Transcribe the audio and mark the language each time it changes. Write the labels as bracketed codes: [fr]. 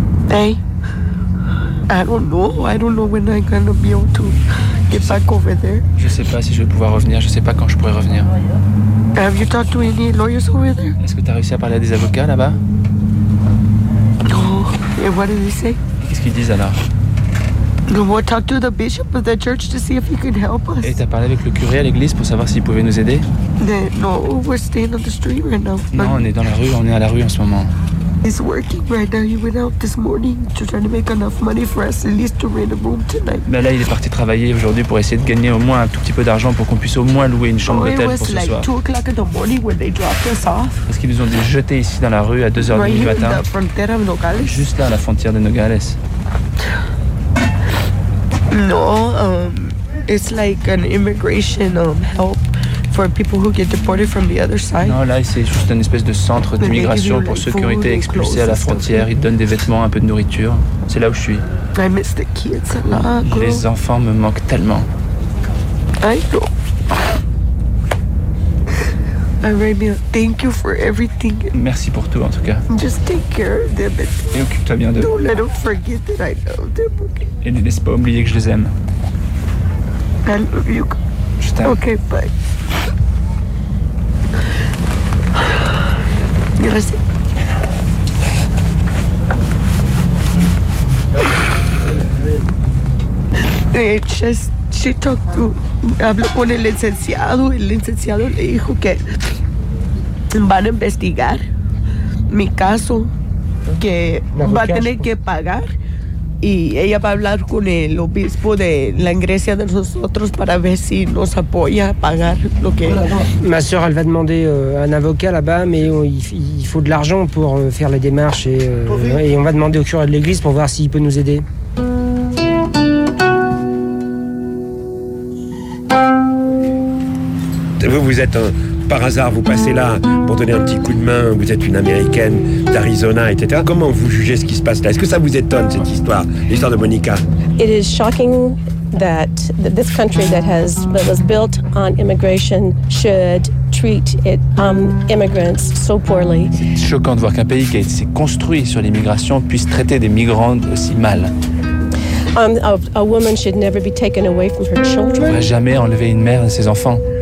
[en] Hey, I don't know when I'm gonna be able to get back over there. [fr] Je sais pas si je vais pouvoir revenir, je sais pas quand je pourrais revenir. [en] Have you talked to any lawyers over there? [fr] Est-ce que t'as réussi à parler à des avocats là-bas? [en] Oh, and what did they say? [fr] Qu'est-ce qu'ils disent alors? [en] We'll talk to the bishop of the church to see if he can help us. [fr] Et t'as parlé avec le curé à l'église pour savoir s'il pouvait nous aider? [en] No, we're staying on the street right now. [fr] Non, on est dans la rue, on est à la rue en ce moment. [en] He's working right now. He went out this morning to try to make enough money for us at least to rent a room tonight. [fr] Mais là, il est parti travailler aujourd'hui pour essayer de gagner au moins un tout petit peu d'argent pour qu'on puisse au moins louer une chambre d'hôtel pour ce soir. [en] It was like 2 o'clock in the morning when they dropped us off. [fr] Parce qu'ils nous ont dû jeter ici dans la rue à 2h30 du matin. [en] Right here in the frontera of Nogales. [fr] Juste là, à la frontière de Nogales. [en] No, it's like an immigration help for people who get deported from the other side. [fr] Non, là, c'est juste une espèce de centre d'immigration pour ceux qui ont été expulsés à la frontière. Ils donnent des vêtements, un peu de nourriture. C'est là où je suis. [en] I miss the kids a lot, girl. [fr] Les enfants me manquent tellement. [en] I know. Thank you for everything. [fr] Merci pour tout, en tout cas. [en] Just take care of them. [fr] Et occupe-toi bien d'eux. [en] Don't let them forget that I love them. [fr] Et ne laisse pas oublier que je les aime. [en] I love you. [fr] Je t'aime. [en] Ok, bye. [es] Gracias. De hecho, [en] she talked to, [es] habló con el licenciado le dijo que van a investigar mi caso, que va a tener que pagar. Y ella va a hablar con el obispo de la iglesia de nosotros para ver si nos apoya a pagar lo que... [fr] Ma soeur, elle va demander un avocat là-bas, mais il faut de l'argent pour faire les démarches. Et on va demander au curé de l'église pour voir s'il peut nous aider. Vous êtes un... Par hasard, vous passez là pour donner un petit coup de main. Vous êtes une Américaine d'Arizona, etc. Comment vous jugez ce qui se passe là? Est-ce que ça vous étonne, cette histoire, l'histoire de Monica? [en] It is shocking that this country that was built on immigration should treat it, immigrants so poorly. [fr] C'est choquant de voir qu'un pays qui s'est construit sur l'immigration puisse traiter des migrants aussi mal. [en] A woman should never be taken away from her children. [fr] On ne devrait jamais enlever une mère de ses enfants.